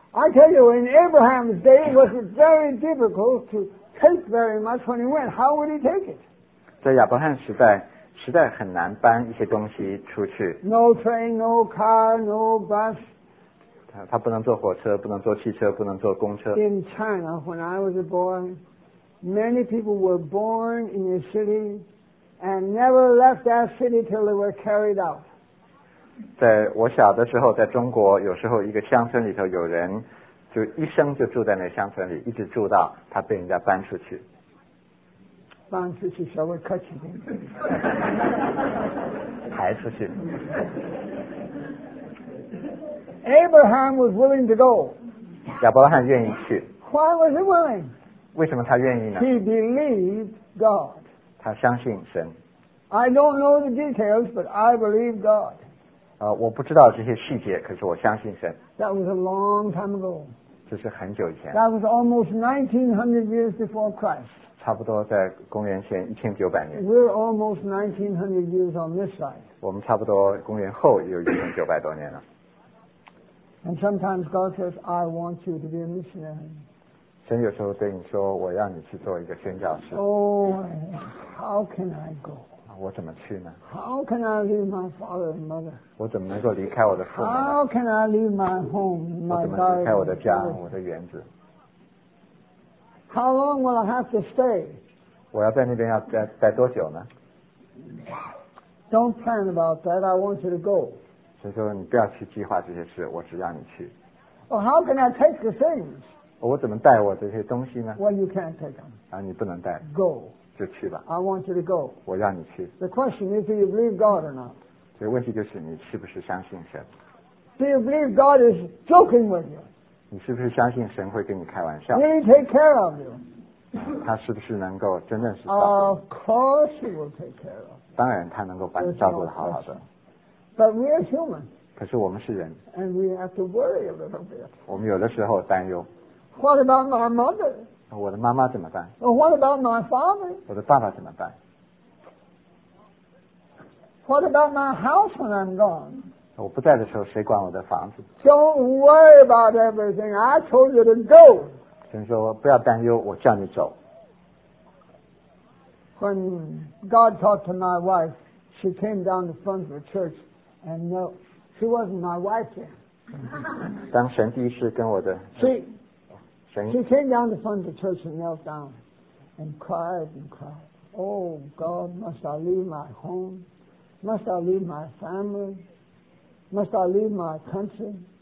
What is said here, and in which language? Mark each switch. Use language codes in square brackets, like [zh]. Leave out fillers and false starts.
[en] I tell you, in Abraham's day, it was very difficult to take very much when he went. How would he take it? [zh] 在亚伯罕时代，实在很难搬一些东西出去。 [en] No train, no car, no bus. [zh] 他不能坐火车，不能坐汽车，不能坐公车。 [en] In China, when I was a boy, many people were born in a city and never left that city till they were carried out. [zh] 在我小的时候，在中国，有时候一个乡村里头有人，就一生就住在那乡村里，一直住到他被人家搬出去。搬出去稍微客气点。抬出去。 [en] Abraham was willing to go. [zh] 亚伯拉罕愿意去。 [en] Why was he willing? [zh] 为什么他愿意呢？ [en] He believed God. [zh] 他相信神。 [en] I don't know the details, but I believe God. [zh] 我不知道这些细节，可是我相信神。 [en] That was a long time ago. [zh] 这是很久以前。 [en] That was almost 1900 years before Christ. [zh] 差不多在公元前1900年。 [en] We're almost 1900 years on this side. [zh] 我们差不多公元后有1900多年了。 [en] And sometimes God says, I want you to be a missionary. [zh] 神有时候对你说，我让你去做一个宣教士。 [en] Oh, how can I go? [zh] 我怎么去呢？ [en] How can I leave my father and mother? [zh] 我怎么能够离开我的父母呢？ [en] How can I leave my home, my garden? [zh] 我怎么离开我的家，我的园子？ [en] How long will I have to stay? [zh] 我要在那边要待多久呢？ [en] Don't plan about that, I want you to go. [zh] 所以说你不要去计划这些事，我只让你去。 [en] Well, how can I take the things? [zh] 我怎么带我这些东西呢？ [en] Well, you can't take them. [zh] 你不能带。 [en] Go. [zh] 就去吧。 [en] I want you to go. [zh] 我让你去。 [en] The question is, do you believe God or not? [zh] 这问题就是你是不是相信神。 [en] Do you believe God is joking with you? [zh] 你是不是相信神会跟你开玩笑？ [en] Will he take care of you? [zh] 他是不是能够真正是？ [en] Of course he will take care of you. [zh] 当然他能够把你照顾得好好的。 [en] But we are human. [zh] 可是我们是人。 [en] And we have to worry a little bit. [zh] 我们有的时候担忧。 [en] What about my mother? [zh] 我的妈妈怎么办 [en] ？What about my father? [zh] 我的爸爸怎么办 [en] ？What about my house when I'm gone? [zh] 我不在的时候谁管我的房子 [en] Don't worry about everything I told you to go [zh] 神说不要担忧我叫你走 [en] When God talked to my wife She came down the front of the church And no, she wasn't my wife then [zh] 当神第一次跟我的 [en] She came down the front of the church And knelt down And cried and cried Oh God, must I leave my home Must I leave my familyMust I leave my country?